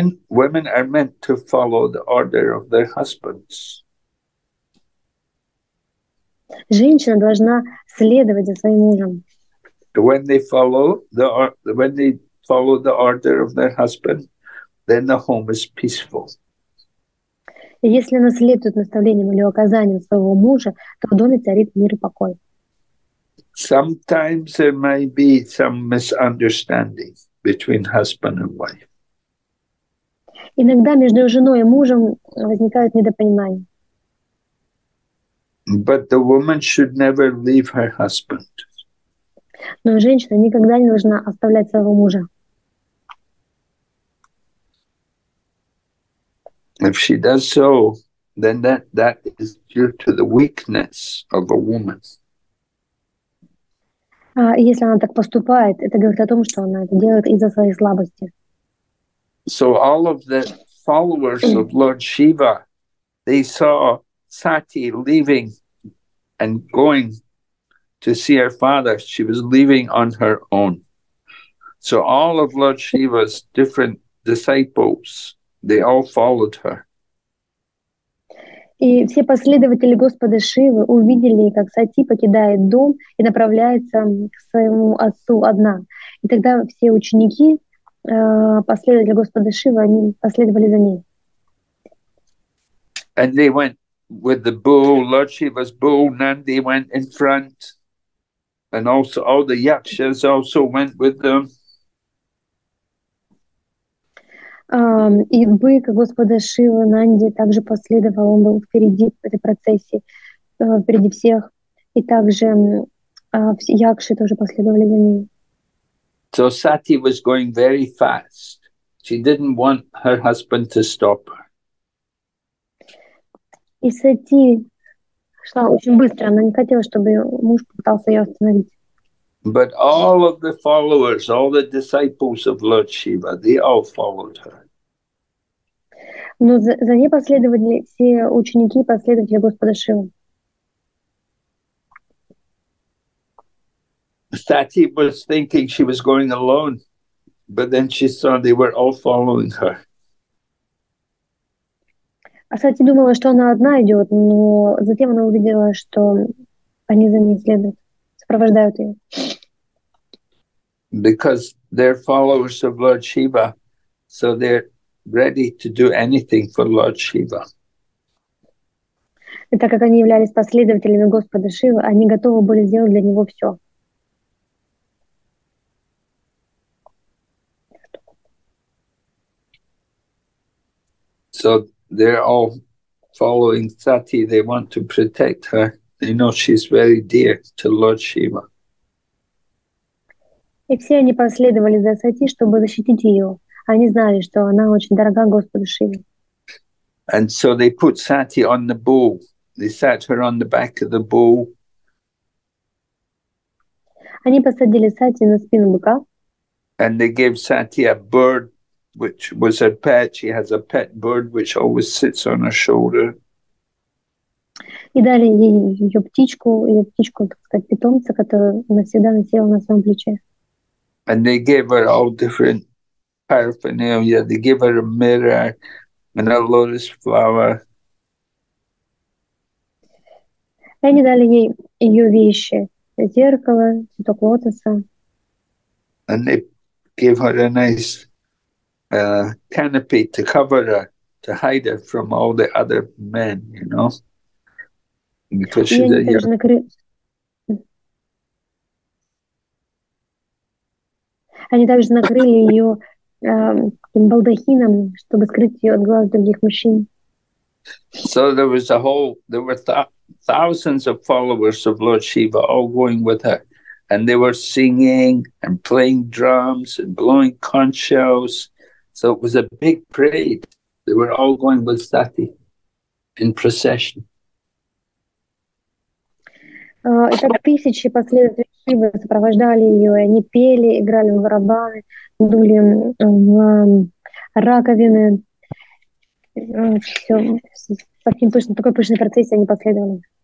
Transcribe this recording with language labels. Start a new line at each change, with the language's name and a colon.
English: Women are meant to follow the order of their husbands.
Russian: Женщина должна следовать за своим мужем.
English: When they follow the order of their husband, then the home is peaceful.
Russian: Если она следует наставлениям или указаниям своего мужа, то в доме царит мир и покой.
English: Sometimes there may be some misunderstanding between husband and wife.
Russian: Иногда между женой и мужем возникают недопонимания.
English: But the woman should never leave her husband.
Russian: Но женщина никогда не должна оставлять своего мужа.
English: If she does so, then that is due to the weakness of a woman.
Russian: Если она так поступает, это говорит о том, что она это делает из-за своей слабости.
English: So all of the followers of Lord Shiva, they saw Sati leaving and going to see her father. She was leaving on her own. So all of Lord Shiva's different disciples, they all followed her.
Russian: И все последователи Господа Шивы увидели, как Сати покидает дом и направляется к своему отцу одна. И тогда все ученики, последователи Господа Шивы, они последовали за ней.
English: And they went with the bull, Lord Shiva's bull, Nandi went in front, and also all the yakshas also went with them.
Russian: И бык Господа Шивы, Нанди, также последовал, он был впереди этой процессии, впереди всех. И также якши тоже последовали за ним.
English: So Sati was going very fast. She didn't want her husband to stop her.
Russian: И Сати шла очень быстро, она не хотела, чтобы муж пытался ее остановить.
English: But all of the followers, all the disciples of Lord Shiva, they all followed her.
Russian: Но за ней последовали все ученики и последователи Господа Шивы.
English: Sati was thinking she was going alone, but then she saw they were all following her.
Russian: А Сати думала, что она одна идет, но затем она увидела, что они за ней следуют, сопровождают ее.
English: Because they're followers of Lord Shiva, so they're ready to do anything for Lord Shiva.
Russian: И так как они являлись последователями Господа Шивы, они готовы были сделать для него все.
English: So they're all following Sati. They want to protect her. They know she's very dear to Lord Shiva.
Russian: И все они последовали за Сати, чтобы защитить ее. Они знали, что она очень дорога Господу Шиве.
English: And so they put Sati on the bull. They sat her on the back of the bull.
Russian: Они посадили Сати на спину быка.
English: And they gave Sati a bird, which was her pet. She has a pet bird, which always sits on her shoulder.
Russian: И дали ей ее птичку, так сказать, питомца, которую она всегда носила на своем плече.
English: And they gave her all different paraphernalia. They gave her a mirror and a lotus flower.
Russian: Они дали ей ее вещи: зеркало, цветок лотоса.
English: And they gave her a nice canopy to cover her, to hide her from all the other men, you know, because she's a young.
Russian: Они также накрыли ее таким балдахином, чтобы скрыть ее от глаз других мужчин.
English: So there was a whole, there were thousands of followers of Lord Shiva all going with her, and they were singing and playing drums and blowing conch shells. So it was a big parade. They were all going with Sati in procession.
Russian: Итак, тысячи последователей Шивы сопровождали ее, и они пели, играли в барабаны, дули в раковины. Все, таким пышным, такой пышной процессией они последовали.